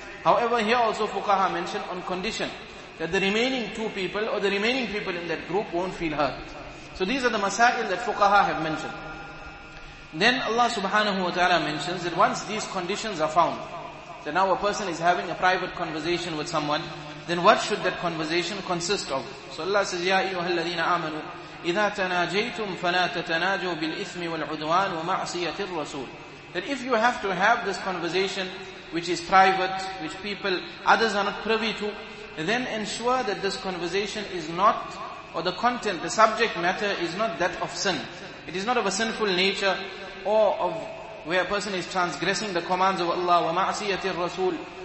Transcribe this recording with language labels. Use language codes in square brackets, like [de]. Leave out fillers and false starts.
[en] However, here also Fuqaha mentioned on condition that the remaining two people or the remaining people in that group won't feel hurt. So these are the masail that Fuqaha have mentioned. Then Allah subhanahu wa ta'ala mentions that once these conditions are found, that now a person is having a private conversation with someone, then what should that conversation consist of? [ar] So Allah says, يَا أَيُّهَا الَّذِينَ آمَنُوا إِذَا تَنَاجَيْتُمْ فَلَا تَتَنَاجُوا بِالْإِثْمِ وَالْعُدْوَانِ وَمَعْصِيَةِ الرَّسُولِ. [en] That if you have to have this conversation, which is private, which people, others are not privy to, then ensure that this conversation is not, or the content, the subject matter is not that of sin. It is not of a sinful nature, or of where a person is transgressing the commands of Allah, [ar] وَمَعْصِيَةِ الرَّسُولِ.